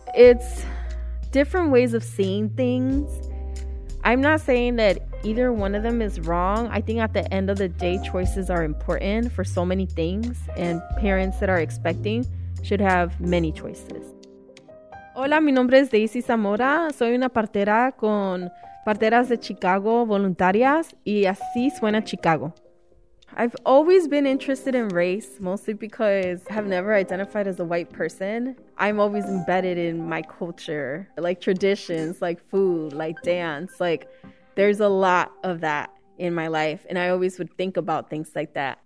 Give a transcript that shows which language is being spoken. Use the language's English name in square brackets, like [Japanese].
[English] It's different ways of seeing things. I'm not saying that either one of them is wrong. I think at the end of the day, choices are important for so many things, and parents that are expecting should have many choices. [Spanish] Hola, mi nombre es Daisy Zamora. Soy una partera con Parteras de Chicago Voluntarias, y así suena Chicago. [English] I've always been interested in race, mostly because I have never identified as a white person. I'm always embedded in my culture, like traditions, like food, like dance. Like, there's a lot of that in my life, and I always would think about things like that.